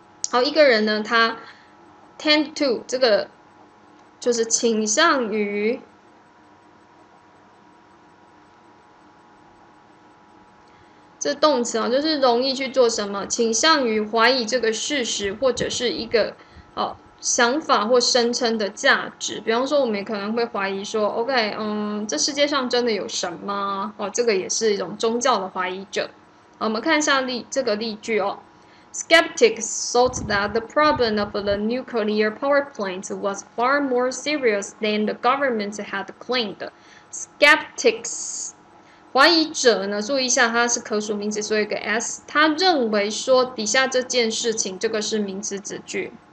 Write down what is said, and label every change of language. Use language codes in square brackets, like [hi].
[zh] 好，一个人呢，他 tend to 这个就是倾向于，这动词啊，就是容易去做什么，倾向于怀疑这个事实或者是一个想法或声称的价值，比方说，我们也可能会怀疑说，OK，这世界上真的有神吗？哦，这个也是一种宗教的怀疑者。好，我们看一下这个例句哦。 [en] Skeptics thought that the problem of the nuclear power plant was far more serious than the government had claimed. [zh] Skeptics，怀疑者呢？注意一下，它是可数名词，所以有个 s。他认为说底下这件事情，这个是名词子句。